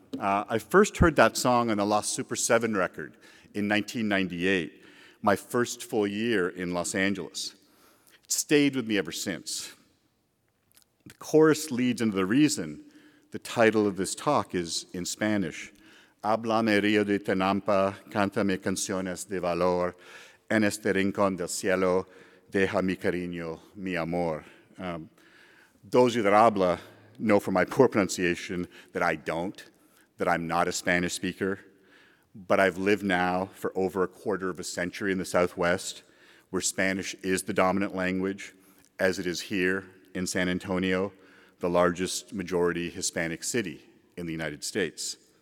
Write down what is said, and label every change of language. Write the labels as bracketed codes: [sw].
[en] I first heard that song on the Los Super 7 record in 1998, my first full year in Los Angeles. It stayed with me ever since. The chorus leads into the reason the title of this talk is in Spanish. [es] Háblame, Rio de Tenampa, cántame canciones de valor. En este rincón del cielo, deja mi cariño, mi amor. [en] Those of you that habla know from my poor pronunciation that I don't, that I'm not a Spanish speaker, but I've lived now for over a quarter of a century in the Southwest, where Spanish is the dominant language, as it is here in San Antonio, the largest majority Hispanic city in the United States.